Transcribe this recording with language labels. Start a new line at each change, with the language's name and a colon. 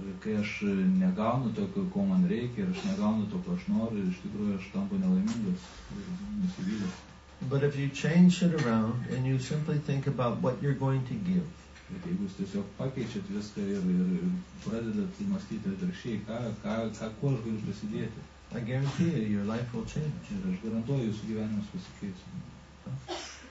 Lithuanian: Ir kai aš negaunu to, ko man reikia, ir aš negaunu to, ko aš noriu, iš tikrųjų aš tampu nelaimingas ir nusivylęs.
English: But if you change it around and you simply think about what you're going to give.
Lithuanian: Bet jeigu jūs tiesiog pakeičiat viską ir pradedat mąstyti atvirkščiai, ką kuo aš galiu prisidėti.
English: I guarantee you, your life will change.
Lithuanian: Ir aš garantuoju, jūsų gyvenimas pasikeis.